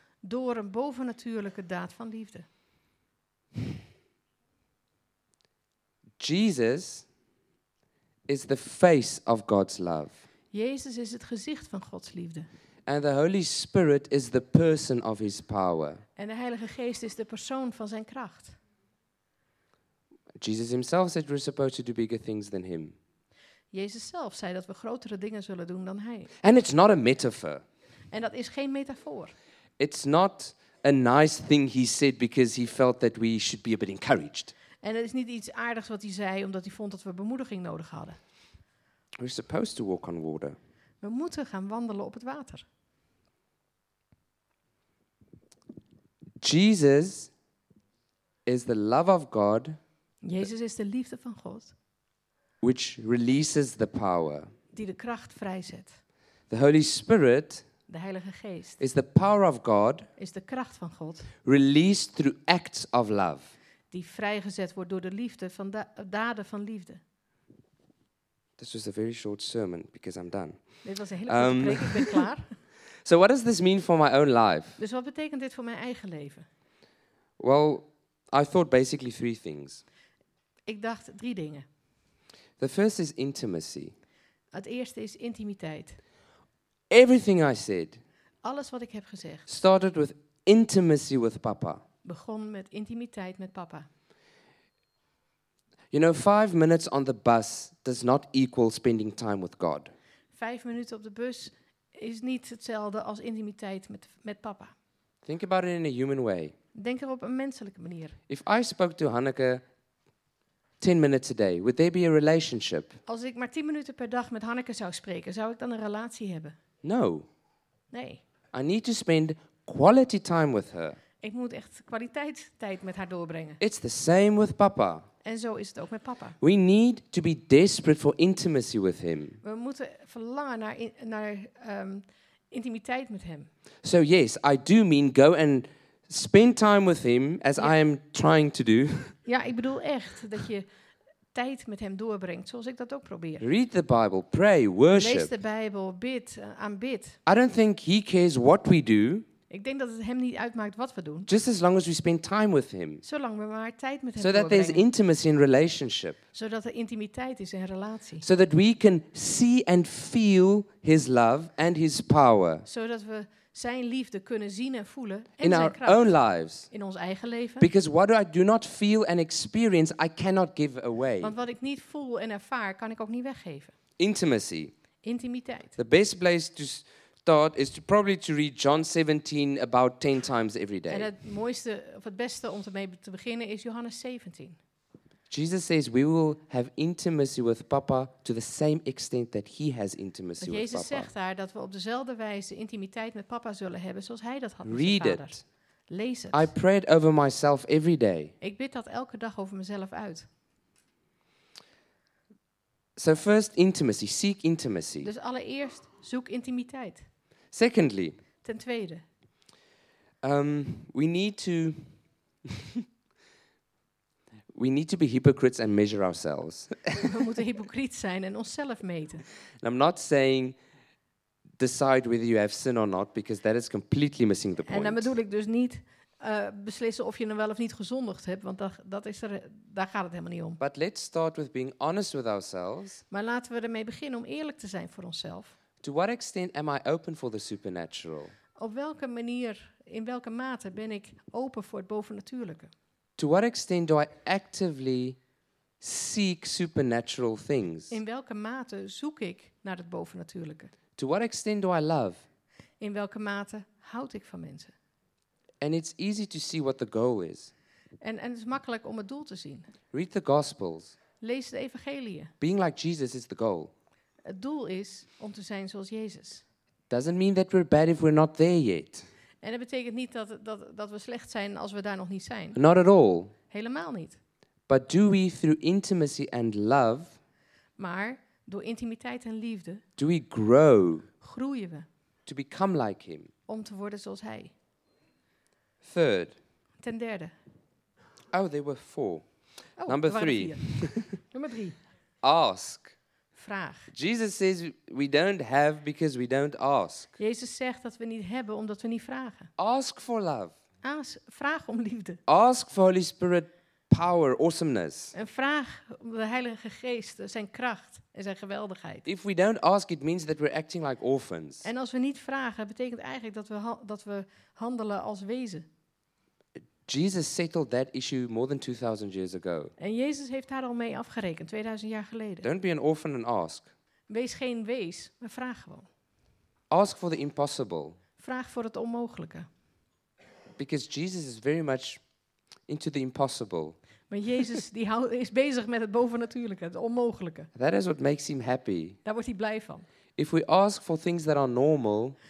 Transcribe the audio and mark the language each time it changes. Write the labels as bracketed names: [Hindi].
[Dutch] Door een bovennatuurlijke daad van liefde. [English] Jesus is the face of God's love. [Dutch] Jezus is het gezicht van Gods liefde. [English] And the Holy Spirit is the person of his power. [Dutch] En de Heilige Geest is de persoon van zijn kracht. [English] Jesus himself said we're supposed to do bigger things than him. [Dutch] Jezus zelf zei dat we grotere dingen zullen doen dan hij. [English] And it's not a metaphor. [Dutch] En dat is geen metafoor. [English] It's not a nice thing he said because he felt that we should be a bit encouraged. [Dutch] En het is niet iets aardigs wat hij zei omdat hij vond dat we bemoediging nodig hadden. [English] We're supposed to walk on water. [Dutch] We moeten gaan wandelen op het water. [English] Jesus is the love of God. [Dutch] Jezus is de liefde van God. [English] Which releases the power. [Dutch] Die de kracht vrijzet. [English] The Holy Spirit. [Dutch] De Heilige Geest. [English] Is the power of God. [Dutch] Is de kracht van God. [English] Released through acts of love. [Dutch] Die vrijgezet wordt door de liefde van daden van liefde. [English] This was a very short sermon because I'm done. [Dutch] Dit was een hele korte preek, ik ben klaar. [English] So what does this mean for my own life? [Dutch] Dus wat betekent dit voor mijn eigen leven? [English] Well, I thought basically three things. [Dutch] Ik dacht drie dingen. [English] The first is intimacy. [Dutch] Het eerste is intimiteit. [English] Everything I said. [Dutch] Alles wat ik heb gezegd. [English] Started with intimacy with papa. [Dutch] Begon met intimiteit met papa. [English] You know, 5 minutes on the bus does not equal spending time with God. [Dutch] 5 minuten op de bus is niet hetzelfde als intimiteit met papa. [English] Think about it in a human way. [Dutch] Denk er op een menselijke manier. [English] If I spoke to Hanneke 10 minutes a day, would there be a relationship? [Dutch] Als ik maar 10 minuten per dag met Hanneke zou spreken, zou ik dan een relatie hebben? [English] No. [Dutch] Nee. [English] I need to spend quality time with her. [Dutch] Ik moet echt kwaliteit tijd met haar doorbrengen. [English] It's the same with papa. [Dutch] En zo is het ook met papa. [English] We need to be desperate for intimacy with him. [Dutch] We moeten verlangen naar intimiteit met hem. [English] So yes, I do mean go and spend time with him as I am trying to do. [Dutch] Ja, ik bedoel echt dat je tijd met hem doorbrengt, zoals ik dat ook probeer. [English] Read the Bible, pray, worship. [Dutch] Lees de Bijbel, bid, aanbid. [English] I don't think he cares what we do. [Dutch] Ik denk dat het hem niet uitmaakt wat we doen. [English] Just as long as we spend time with him. [Dutch] Zolang we maar tijd met hem doorbrengen. [English] So that there's intimacy in relationship. [Dutch] Zodat er intimiteit is in relatie. [English] So that we can see and feel his love and his power. [Dutch] Zodat we zijn liefde kunnen zien en voelen en [English] in [Dutch] zijn [English] our [Dutch] kracht. [English] Own lives. [Dutch] In ons eigen leven. [English] Because what I do not feel and experience, I cannot give away. [Dutch] Want wat ik niet voel en ervaar, kan ik ook niet weggeven. [English] Intimacy. [Dutch] Intimiteit. [English] The best place to start is to probably to read John 17 about 10 times every day. [Dutch] En het mooiste of het beste om ermee te beginnen is Johannes 17. [English] Jesus says we will have intimacy with Papa to the same extent that he has intimacy with Papa. [Dutch] Jezus zegt daar dat we op dezelfde wijze intimiteit met Papa zullen hebben zoals hij dat had met zijn vader. [English] Read it. [Dutch] Lees het. [English] I pray it over myself every day. [Dutch] Ik bid dat elke dag over mezelf uit. [English] So first intimacy, seek intimacy. [Dutch] Dus allereerst zoek intimiteit. [English] Secondly. [Dutch] Ten tweede. [English] We need to be hypocrites and measure ourselves. [Dutch] We moeten hypocriet zijn en onszelf meten. [English] And I'm not saying decide whether you have sin or not, because that is completely missing the point. [Dutch] En dan bedoel ik dus niet beslissen of je nou wel of niet gezondigd hebt, want dat is er, daar gaat het helemaal niet om. [English] But let's start with being honest with ourselves. [Dutch] Maar laten we ermee beginnen om eerlijk te zijn voor onszelf. [English] To what extent am I open for the supernatural? [Dutch] Op welke manier, in welke mate ben ik open voor het bovennatuurlijke? [English] To what extent do I actively seek supernatural things? [Dutch] In welke mate zoek ik naar het bovennatuurlijke? [English] To what extent do I love? [Dutch] In welke mate houd ik van mensen? [English] And it's easy to see what the goal is. [Dutch] En het is makkelijk om het doel te zien. [English] Read the Gospels. [Dutch] Lees de evangelieën. [English] Being like Jesus is the goal. [Dutch] Het doel is om te zijn zoals Jezus. [English] Doesn't mean that we're bad if we're not there yet. [Dutch] En dat betekent niet dat we slecht zijn als we daar nog niet zijn. [English] Not at all. [Dutch] Helemaal niet. [English] But do we through intimacy and love? [Dutch] Maar door intimiteit en liefde. [English] Do we grow? [Dutch] Groeien we? [English] To become like him. [Dutch] Om te worden zoals hij. [English] Third. [Dutch] Ten derde. [English] Oh, there were four. Oh, number three. [Dutch] Nummer drie. [English] Ask. [Dutch] Vraag. [English] Jesus says we don't have because we don't ask. [Dutch] Jezus zegt dat we niet hebben omdat we niet vragen. [English] Ask for love. [Dutch] Vraag om liefde. [English] Ask for Holy Spirit power, awesomeness. [Dutch] En vraag om de Heilige Geest, zijn kracht en zijn geweldigheid. [English] If we don't ask, it means that we're acting like orphans. [Dutch] En als we niet vragen, betekent eigenlijk dat we handelen als wezen. [English] Jesus settled that issue more than 2000 years ago. [Dutch] En Jezus heeft daar al mee afgerekend 2000 jaar geleden. [English] Don't be an orphan and ask. [Dutch] Wees geen wees, maar vraag gewoon. [English] Ask for the impossible. [Dutch] Vraag voor het onmogelijke. [English] Because Jesus is very much into the impossible. [Dutch] Maar Jezus die is bezig met het bovennatuurlijke, het onmogelijke. [English] That is what makes him happy. [Dutch] Daar wordt hij blij van. [English] If we ask for things that are normal.